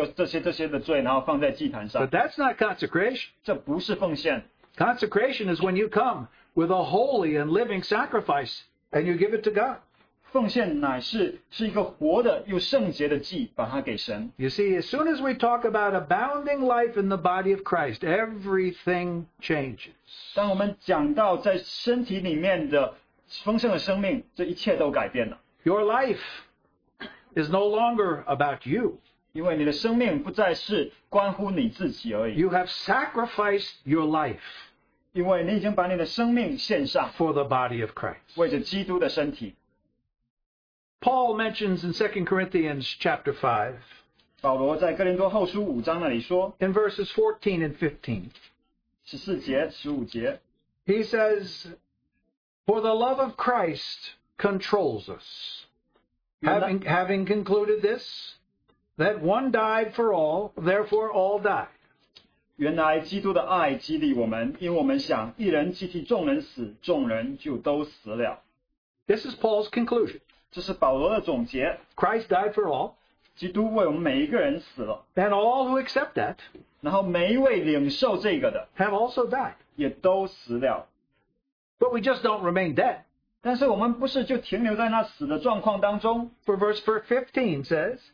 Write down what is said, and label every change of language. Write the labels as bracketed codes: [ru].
[zh] 有的人觉得奉献就是来到神的面前,然后跟他说,哦,我犯了所有这些的罪,然后放在祭坛上。 [en] But that's not consecration. [zh] 这不是奉献。 [en] Consecration is when you come with a holy and living sacrifice and you give it to God. [zh] 奉献乃是一个活的又圣洁的祭,把它给神。 [en] You see, as soon as we talk about abounding life in the body of Christ, everything changes. [zh] 当我们讲到在身体里面的丰盛的生命,这一切都改变了。 [en] Your life is no longer about you. You have sacrificed your life for the body of Christ. Paul mentions in 2 Corinthians chapter 5 [zh] 保罗在哥林多后书五章那里说, [en] in verses 14 and 15, [zh] 14节, [en] he says, for the love of Christ controls us. Having concluded this, that one died for all, therefore all died. [zh] 原来基督的爱激励我们, 因为我们想一人激励众人死, 众人就都死了。 [en] This is Paul's conclusion. [zh] 这是保罗的总结, [en] Christ died for all. And all who accept that have also died. But we just don't remain dead. For verse 15 says,